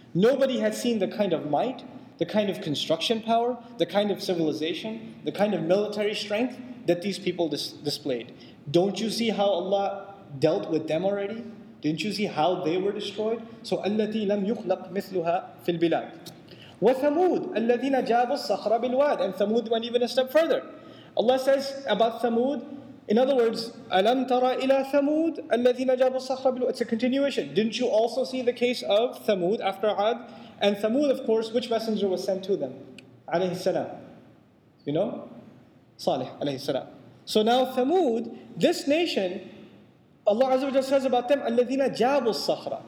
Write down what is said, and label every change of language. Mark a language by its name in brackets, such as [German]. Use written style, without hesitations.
[English] Nobody had seen the kind of might, the kind of construction power, the kind of civilization, the kind of military strength that these people displayed. Don't you see how Allah dealt with them already? Didn't you see how they were destroyed? So, [Arabic] أَلَّتِي لَمْ يُخْلَقْ مِثْلُهَا فِي الْبِلَادِ. وَثَمُودَ الَّذِينَ جَابُوا الصَّخْرَ بِالْوَادِ. [English] And Thamud went even a step further. Allah says about Thamud, in other words, [Arabic] أَلَمْ تَرَ إِلَى ثَمُودَ الَّذِينَ جَابُوا الصَّخْرَ بِالْوَادِ. [English] It's a continuation. Didn't you also see the case of Thamud after Ad? And Thamud, of course, which messenger was sent to them? Alayhi salam. You know? Salih, alayhi salam. So now Thamud, this nation, Allah Azza wa Jalla says about them, [Arabic] الَّذِينَ جَابُوا الصَّخْرَ.